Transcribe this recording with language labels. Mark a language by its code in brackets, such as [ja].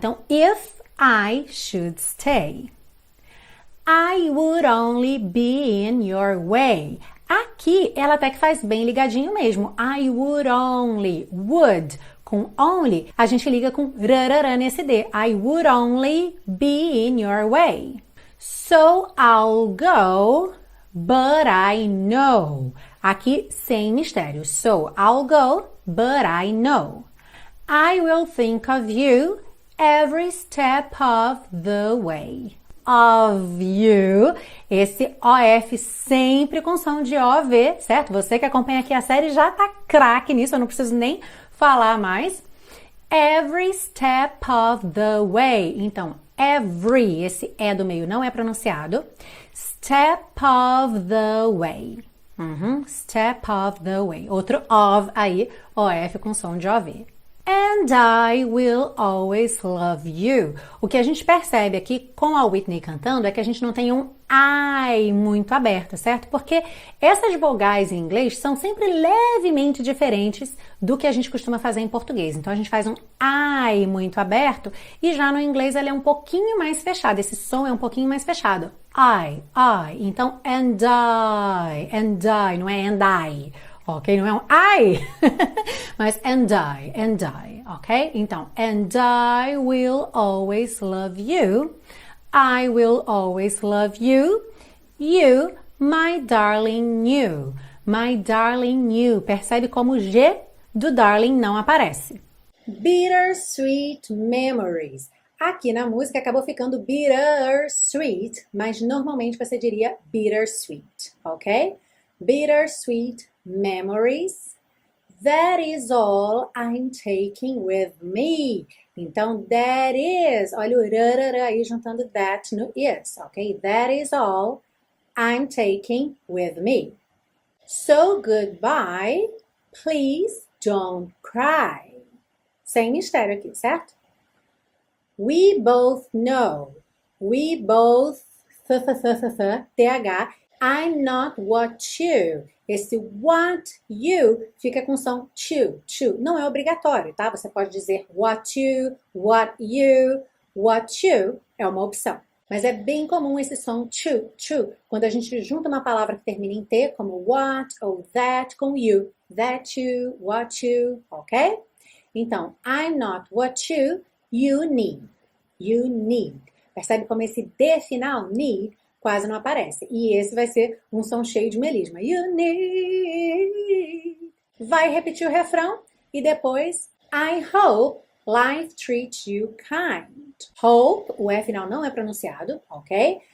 [en] Então, if I should stay, I would only be in your way. [pt] Aqui, ela até que faz bem ligadinho mesmo. [en] I would only, would, [pt] com only, a gente liga com rarara nesse D. [en] I would only be in your way. So I'll go, but I know. [pt] Aqui, sem mistério. [en] So I'll go, but I know. I will think of you every step of the way. Of you, [pt] esse OF sempre com som de OV, certo? Você que acompanha aqui a série já tá craque nisso, eu não preciso nem falar mais. [en] Every step of the way, [pt] então every, esse E do meio não é pronunciado. [en] Step of the way, step of the way, [pt] outro of aí, OF com som de OV. [en] And I will always love you. [pt] O que a gente percebe aqui com a Whitney cantando é que a gente não tem um I muito aberto, certo? Porque essas vogais em inglês são sempre levemente diferentes do que a gente costuma fazer em português. Então a gente faz um I muito aberto e já no inglês ele é um pouquinho mais fechado. Esse som é um pouquinho mais fechado. [en] I, I. Então and I, [pt] não é [en] and I, Ok? [pt] Não é um I, mas and I, ok? [en] Então, and I will always love you, I will always love you, you, my darling you, my darling you. [pt] Percebe como o G do darling não aparece. [en] Bittersweet memories. [pt] Aqui na música acabou ficando bittersweet, mas normalmente você diria bittersweet, ok? [en] Bittersweet memories. That is all I'm taking with me. [pt] Então, that is. Olha o rarara aí juntando that no is, ok? [en] That is all I'm taking with me. So goodbye, please don't cry. [pt] Sem mistério aqui, certo? [en] We both know. We both. Th. I'm not what you. [pt] Esse what you fica com som to, to. Não é obrigatório, tá? Você pode dizer [en] what you, what you, what you. [pt] É uma opção. Mas é bem comum esse som to, to. Quando a gente junta uma palavra que termina em T, como what ou that com you. [en] That you, what you, ok? Então, I'm not what you, you need. You need. [pt] Percebe como esse D final, need, quase não aparece. E esse vai ser um som cheio de melisma. [en] You need. [pt] Vai repetir o refrão e depois, [en] I hope life treats you kind. [pt] Hope, o E final não é pronunciado, ok?